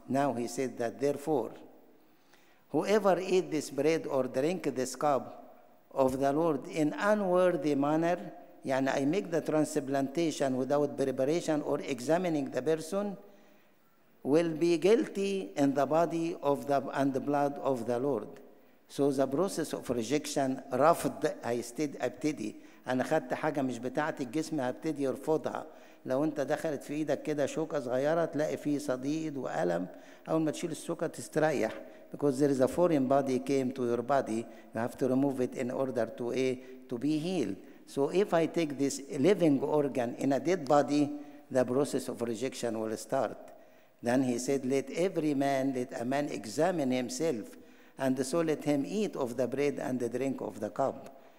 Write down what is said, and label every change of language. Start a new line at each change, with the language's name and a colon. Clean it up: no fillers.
English: Now he said that, therefore, whoever eat this bread or drink this cup of the Lord in unworthy manner, and I make the transplantation without preparation or examining the person, will be guilty in the body of the and the blood of the Lord. So the process of rejection,
Arabic: رفض, أبتدي. أنا خدت حاجة مش بتاعتي الجسم أبتدي أرفضها. لو أنت دخلت في إيدك كده شوكة صغيرة تلاقي فيه صديد وألم, أول ما تشيل الشوكة تستريح.
English: Because there is a foreign body came to your body, you have to remove it in order to be healed. So if I take this living organ in a dead body, the process of rejection will start. Then he said, let every man, let a man examine himself, and so let him eat of the bread and the drink of the cup.